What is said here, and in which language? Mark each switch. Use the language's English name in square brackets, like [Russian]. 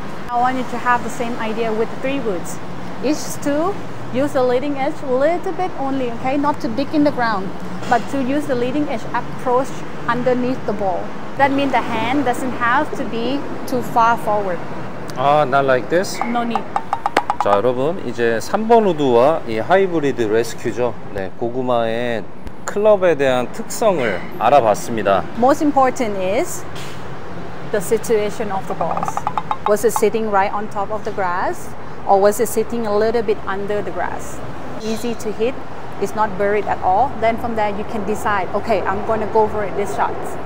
[English] I want you to have the same idea with three woods. Each two, use the leading edge a little bit only, okay? Not to dig in the ground, but to use the leading edge approach underneath the ball. That means the hand doesn't have to be too far forward. Not like this? No need. [Korean] 자, 여러분 이제 3번 우드와 이 하이브리드 레스큐죠. 네, 고구마의 클럽에 대한 특성을 알아봤습니다. [English] Most important is the situation of the balls. Was it sitting right on top of the grass or was it sitting a little bit under the grass? Easy to hit, it's not buried at all. Then from there you can decide, okay, I'm going to go for it this shot.